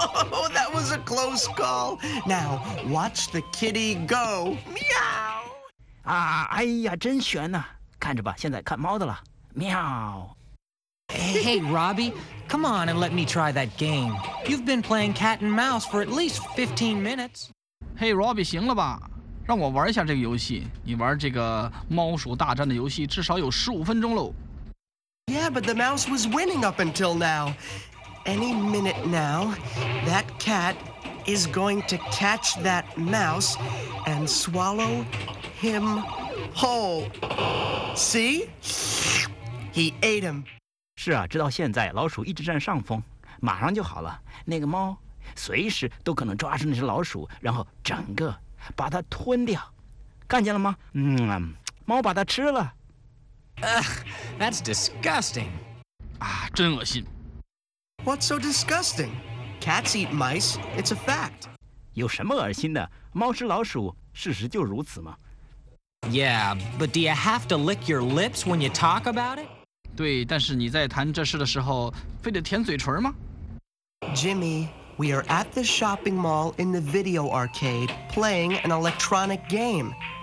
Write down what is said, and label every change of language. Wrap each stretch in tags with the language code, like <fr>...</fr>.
<en>Oh, that was a close call. Now, watch the kitty go. Meow.</en> <zh>啊，哎呀，真悬呐！看着吧，现在看猫的了。Meow.</zh> <en>Hey, Robbie, come on and let me try that game. You've been playing cat and mouse for at least 15 minutes. Hey, Robbie,</en> <zh>行了吧？让我玩一下这个游戏。你玩这个猫鼠大战的游戏至少有15分钟喽。</zh> <en>Yeah, but the mouse was winning up until now. Any minute now, that cat is going to catch that mouse and swallow him whole. See? He ate him.</en> <zh>是啊，直到现在，老鼠一直占上风，马上就好了。那个猫随时都可能抓住那只老鼠，然后整个把它吞掉，看见了吗？嗯，猫把它吃了。</zh> <en>That's disgusting.</en> <zh>啊，真恶心。</zh> <en>What's so disgusting? Cats eat mice. It's a fact.</en> <zh>有什么恶心的？猫吃老鼠，事实就如此嘛。</zh> <en>Yeah, but do you have to lick your lips when you talk about it?</en> <zh>对，但是你在谈这事的时候，非得舔嘴唇吗</zh> <en>？Jimmy, we are at the shopping mall in the video arcade playing an electronic game.</en>